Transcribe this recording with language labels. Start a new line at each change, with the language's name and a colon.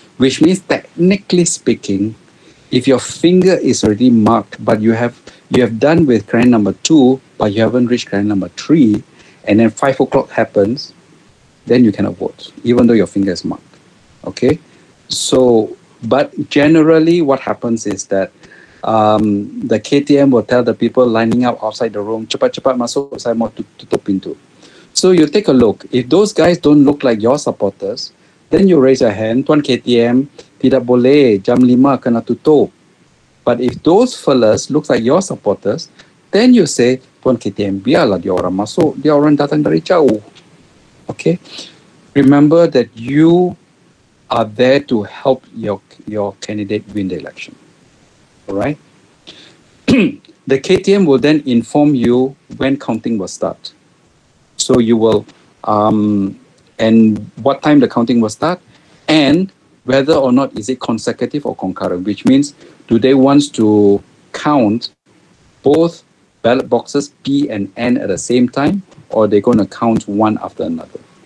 English: Which means, technically speaking, if your finger is already marked, but you have done with crayon number 2, but you haven't reached crayon number 3, and then 5 o'clock happens, then you cannot vote, even though your finger is marked, okay? So, but generally what happens is that the KTM will tell the people lining up outside the room,
Malay: cepat cepat masuk saya mau tutup pintu.
English: So you take a look. If those guys don't look like your supporters, then you raise your hand.
Malay: Tuan KTM, tidak boleh jam 5 kena tutup.
English: But if those fellas look like your supporters, then you say,
Malay: Tuan KTM, biarlah dia orang masuk. Dia orang datang dari jauh.
English: Okay. Remember that you are there to help your candidate win the election. Right, the KTM will then inform you when counting will start. So you will, and what time the counting will start, and whether or not is it consecutive or concurrent, which means do they want to count both ballot boxes P and N at the same time, or they're going to count one after another.